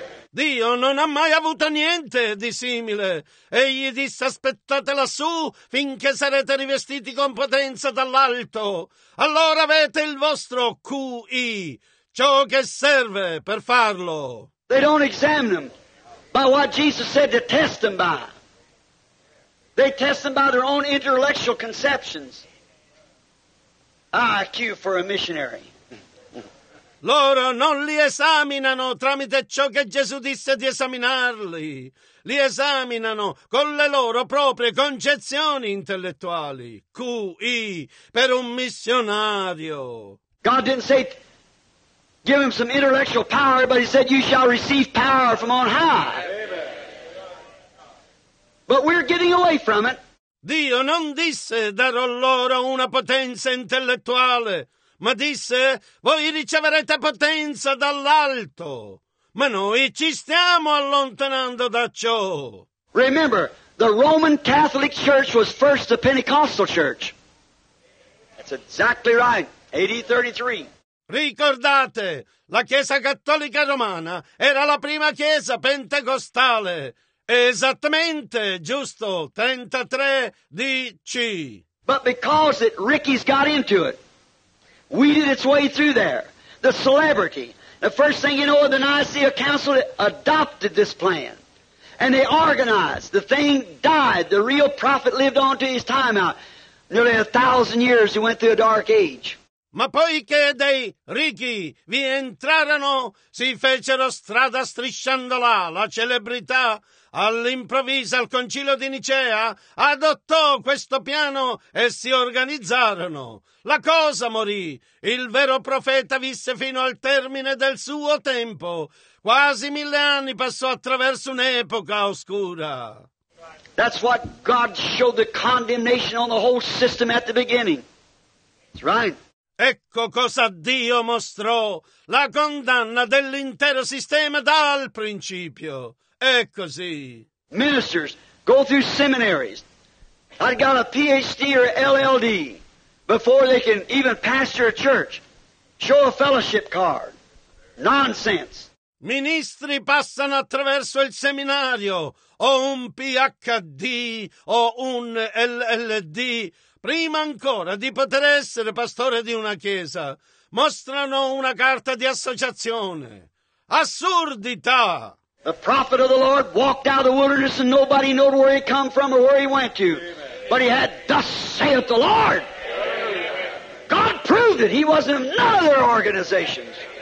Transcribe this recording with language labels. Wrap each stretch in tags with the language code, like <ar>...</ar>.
<it>Dio non ha mai avuto niente di simile. Egli disse, aspettate lassù finché sarete rivestiti con potenza dall'alto. Allora avete il vostro QI, ciò che serve per farlo.</it> <en>They don't examine them by what Jesus said to test them by. They test them by their own intellectual conceptions. IQ for a missionary.</en> <it>Loro non li esaminano tramite ciò che Gesù disse di esaminarli. Li esaminano con le loro proprie concezioni intellettuali. QI per un missionario.</it> <en>God didn't say, give him some intellectual power, but he said, you shall receive power from on high. Amen. But we're getting away from it.</en> <it>Dio non disse darò loro una potenza intellettuale, ma disse: voi riceverete potenza dall'alto. Ma noi ci stiamo allontanando da ciò.</it> <en>Remember, the Roman Catholic Church was first the Pentecostal Church. That's exactly right. AD 33.</en> <it>Ricordate, la Chiesa Cattolica Romana era la prima Chiesa Pentecostale. Esattamente, giusto, 33 D.C.</it> <en>But because it, Ricky's got into it, weeded its way through there. The celebrity. The first thing you know, the Nicaea Council adopted this plan. And they organized. The thing died. The real prophet lived on to his time out. Nearly 1,000 years he went through a dark age.</en> <it>Ma poiché dei ricchi vi entrarono, si fecero strada strisciando là. La celebrità all'improvviso al concilio di Nicea adottò questo piano e si organizzarono. La cosa morì. Il vero profeta visse fino al termine del suo tempo. Quasi 1,000 anni passò attraverso un'epoca oscura.</it> <en>That's what God showed the condemnation on the whole system at the beginning. That's right.</en> <it>Ecco cosa Dio mostrò, la condanna dell'intero sistema dal principio. È così.</it> <en>Ministers, go through seminaries. I've got a PhD or LLD before they can even pastor a church. Show a fellowship card. Nonsense.</en> <it>Ministri passano attraverso il seminario, o un PhD o un LLD, prima ancora di poter essere pastore di una chiesa, mostrano una carta di associazione. Assurdità!</it> <en>The prophet of the Lord walked out of the wilderness and nobody knew where he come from or where he went to. But he had, thus saith the Lord. God proved it. He wasn't in none of their organizations.</en>